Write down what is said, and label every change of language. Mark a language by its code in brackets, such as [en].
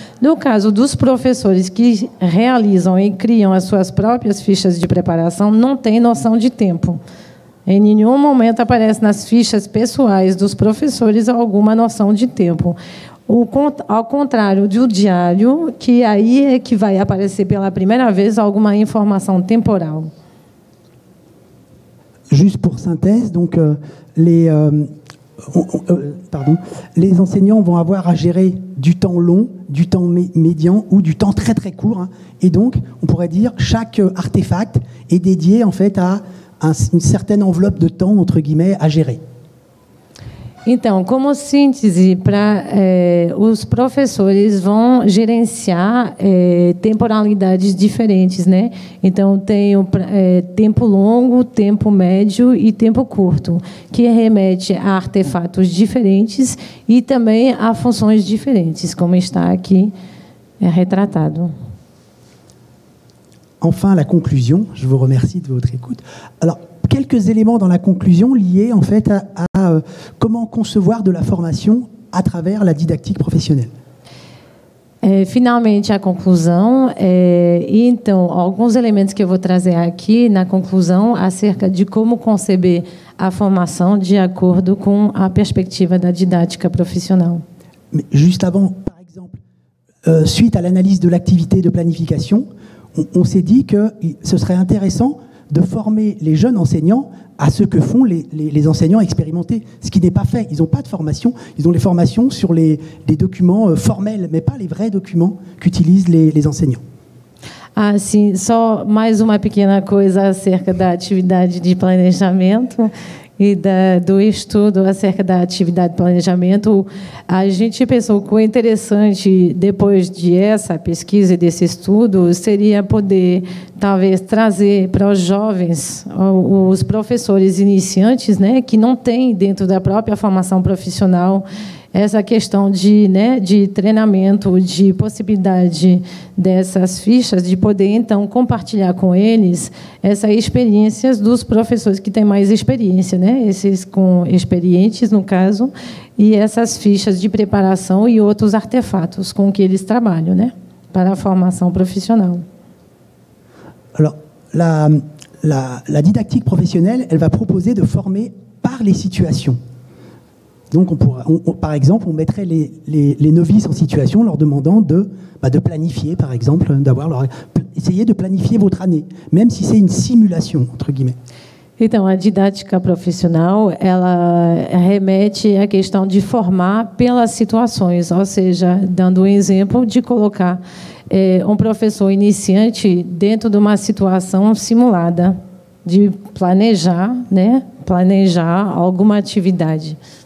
[pt] No caso dos professores que realizam e criam as suas próprias fichas de preparação, não tem noção de tempo. Em nenhum momento aparece nas fichas pessoais dos professores alguma noção de tempo. Ao contrário do diário, que aí é que vai aparecer pela primeira vez alguma informação temporal. [fr] Juste pour synthèse, donc les enseignants vont avoir à gérer du temps long, du temps médian ou du temps très très court, hein, et donc on pourrait dire chaque artefact est dédié en fait à une certaine enveloppe de temps entre guillemets à gérer. [pt] Então, como síntese, os professores vão gerenciar temporalidades diferentes, né? Então, tem o tempo longo, tempo médio e tempo curto, que remete a artefatos diferentes e também a funções diferentes, como está aqui retratado. [fr] Enfin, la conclusion. Je vous remercie de votre écoute. Alors, quelques éléments dans la conclusion liés en fait à comment concevoir de la formation à travers la didactique professionnelle. [pt] Finalmente, a conclusão. Então, alguns elementos que eu vou trazer aqui na conclusão acerca de como conceber a formação de acordo com a perspectiva da didática profissional. [fr] Mais juste avant, par exemple, suite à l'analyse de l'activité de planification, on s'est dit que ce serait intéressant de former les jeunes enseignants à ce que font les enseignants expérimentés, ce qui n'est pas fait. Ils n'ont pas de formation, ils ont les formations sur les documents formels, mais pas les vrais documents qu'utilisent les enseignants. [pt] Ah, sim, só mais uma pequena coisa acerca da atividade de planejamento e do estudo acerca da atividade de planejamento. A gente pensou que o interessante, depois dessa pesquisa e desse estudo, seria poder, talvez, trazer para os jovens, os professores iniciantes, né, que não têm dentro da própria formação profissional essa questão de, né, de treinamento, de possibilidade dessas fichas, de poder, então, compartilhar com eles essas experiências dos professores que têm mais experiência, né, esses com experientes, no caso, e essas fichas de preparação e outros artefatos com que eles trabalham, né, para a formação profissional. [fr] Alors, la didactique professionnelle, elle va proposer de former par les situations. Donc, par exemple, on mettrait les novices en situation, leur demandant de planifier, par exemple, essayer de planifier votre année, même si c'est une simulation, entre guillemets. [pt] Então, a didática profissional, ela remete à questão de formar pelas situações, ou seja, dando exemplo de colocar professeur iniciante dentro de uma situação simulada, de planejar, né, planejar alguma atividade.